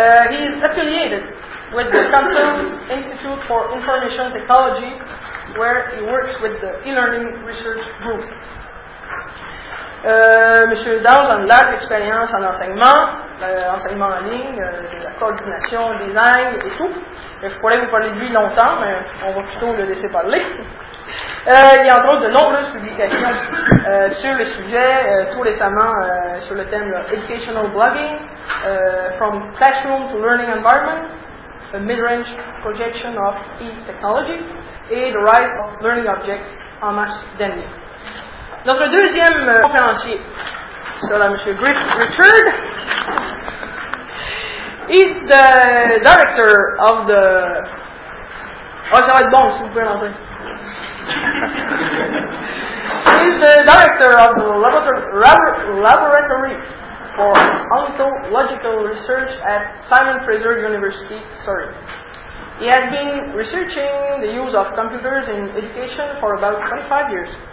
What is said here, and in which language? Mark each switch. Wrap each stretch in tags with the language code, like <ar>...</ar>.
<en>He is affiliated with the Canton Institute for Information Technology, where he works with the e-learning research group.</en> <fr>Monsieur Downs a une large expérience en enseignement, enseignement en ligne, la coordination, le design et tout. Et je pourrais vous parler de lui longtemps, mais on va plutôt le laisser parler. Il y a entre autres de nombreuses publications sur le sujet, tout récemment sur le thème «</fr> <en>Educational Blogging »,« From Classroom to Learning Environment », »,« A Mid-Range Projection of E-Technology</en> <fr>» et «</fr> <en>The Rise of Learning Objects</en> <fr>» en mars dernier. Notre deuxième conférencier sera M. Griff Richard.</fr> <en>He's the director of the...</en> <fr>Oh, ça va être bon, si vous pouvez l'entrer.</fr> <en>He's the director of the Laboratory for Ontological Research at Simon Fraser University, Surrey. He has been researching the use of computers in education for about 25 years.</en>